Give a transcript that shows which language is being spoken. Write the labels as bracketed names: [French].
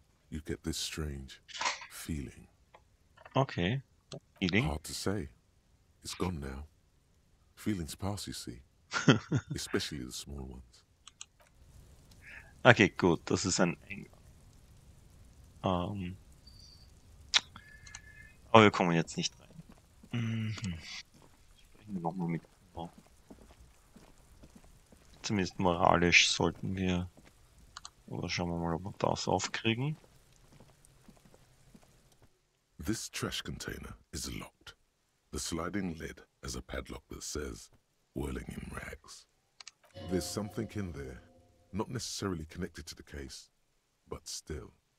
[English] You get this strange feeling. Okay. Feeling? Hard to say. It's gone now. Feelings pass, you see. Especially the small ones. [German] Okay, gut. Das ist ein Engel. Aber wir kommen jetzt nicht rein. Sprechen wir nochmal mit. Zumindest moralisch sollten wir. Oder schauen wir mal, ob wir das aufkriegen. [English] This trash container is locked. The sliding lid has a padlock that says whirling in rags. There's something in there, not necessarily connected to the case, but still.